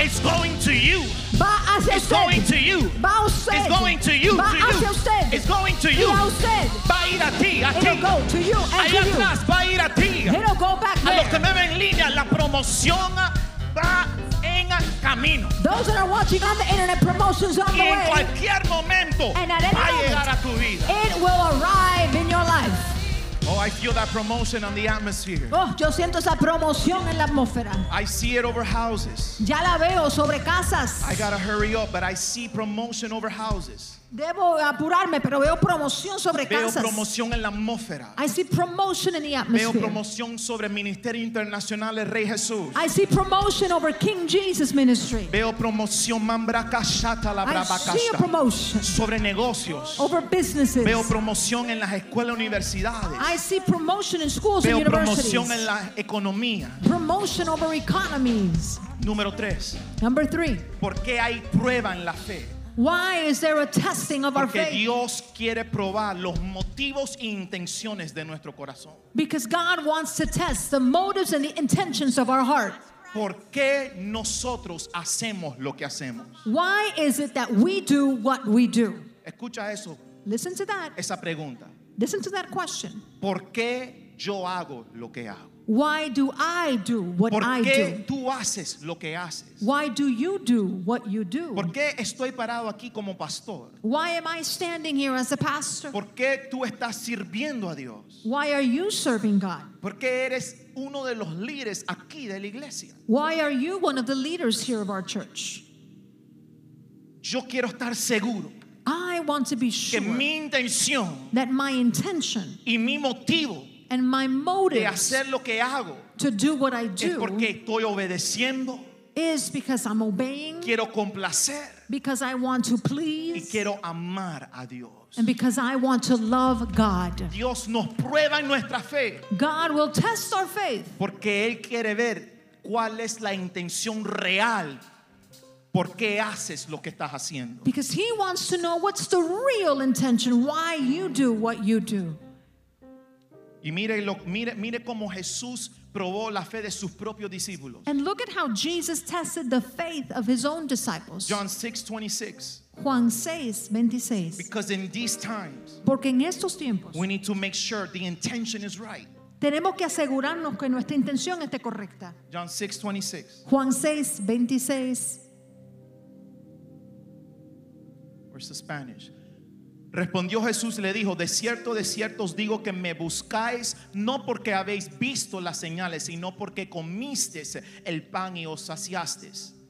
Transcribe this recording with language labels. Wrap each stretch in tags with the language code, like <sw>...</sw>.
<en>It's going to you.</en> <es>Va hacia</es> <en>it's</en> <es>usted.</es> <en>Going to you.</en> <es>Va usted.</es> <en>It's going to you.</en> <es>Va</es> <en>to</en> <es>hacia</es> <en>you.</en> <es>Usted.</es> <en>It's going to you.</en> <es>Y a usted. Va a ir a ti. A</es> <en>it'll</en> <es>ti.</es> <en>Go to you and</en> <es>allá</es> <en>to you.</en> <es>Atrás, va a ir a ti.</es> <en>It'll go back</en> <es>a los que me ven en línea, la promoción va en camino.</es> <en>Those that are watching on the internet, promotions on</en> <es>y</es> <en>the way.</en> <es>En cualquier momento</es> <en>and at any</en> <es>va</es> <en>moment,</en> <es>a llegar a tu vida.</es> <en>It will arrive in your life. Oh, I feel that promotion on the atmosphere.</en> <es>Oh, yo siento esa promoción en la atmósfera.</es> <en>I see it over houses.</en> <es>Ya la veo sobre casas.</es> <en>I gotta hurry up, but I see promotion over houses.</en> <es>Debo apurarme, pero veo promoción sobre veo casas. Veo promoción en la atmósfera.</es> <en>I see promotion in the atmosphere.</en> <es>Veo promoción sobre ministerio internacional del Rey Jesús.</es> <en>I see promotion over King Jesus ministry.</en> <es>Veo promoción mambra kashata la braba kashata.</es> <en>I see a promotion</en> <es>sobre negocios.</es> <en>Over businesses.</en> <es>Veo promoción en las escuelas universidades.</es> <en>I see promotion in schools</en> <es>veo</es> <en>and universities.</en> <es>Veo promoción en la economía.</es> <en>Promotion over economies.</en> <es>Número tres.</es> <en>Number three.</en> <es>¿Por qué hay prueba en la fe?</es> <en>Why is there a testing of</en> <es>porque</es> <en>our faith?</en> <es>Dios quiere probar los motivos e intenciones de nuestro corazón.</es> <en>Because God wants to test the motives and the intentions of our heart.</en> <es>¿Por qué nosotros hacemos lo que hacemos?</es> <en>Why is it that we do what we do?</en> <es>Escucha eso.</es> <en>Listen to that.</en> <es>Esa pregunta.</es> <en>Listen to that question.</en> <es>¿Por qué yo hago lo que hago?</es> <en>Why do I do what</en> <es>¿por qué</es> <en>I do?</en> <es>Tú haces lo que haces?</es> <en>Why do you do what you do?</en> <es>¿Por qué estoy parado aquí como pastor?</es> <en>Why am I standing here as a pastor?</en> <es>¿Por qué tú estás sirviendo a Dios?</es> <en>Why are you serving God?</en> <es>¿Por qué eres uno de los líderes aquí de la iglesia?</es> <en>Why are you one of the leaders here of our church?</en> <es>Yo quiero estar seguro.</es> <en>I want to be sure</en> <es>que mi intención</es> <en>that my intention</en> <es>y mi motivo</es> <en>and my motive to do what I do</en> <es>es porque estoy obedeciendo,</es> <en>is because I'm obeying,</en> <es>quiero complacer,</es> <en>because I want to please,</en> <es>y quiero amar a Dios.</es> <en>And because I want to love God.</en> <es>Dios nos prueba en nuestra fe.</es> <en>God will test our faith</en> <es>porque él quiere ver cuál es la intención real ¿Por qué haces lo que estás haciendo?</es> <en>Because he wants to know what's the real intention, why you do what you do.</en> <es>Y mire, mire cómo Jesús probó la fe de sus propios discípulos.</es> <en>And look at how Jesus tested the faith of his own disciples. John 6:26.</en> <es>Juan 6:26.</es> <en>Because in these times,</en> <es>porque en estos tiempos,</es> <en>we need to make sure the intention is right.</en> <es>Tenemos que asegurarnos que nuestra intención esté correcta.</es> <en>John 6:26.</en> <es>Juan 6:26.</es> <en>Where's the Spanish?</en> <es>Respondió Jesús y le dijo: de cierto os digo que me buscáis no porque habéis visto las señales, sino porque comisteis el pan y os saciasteis.</es>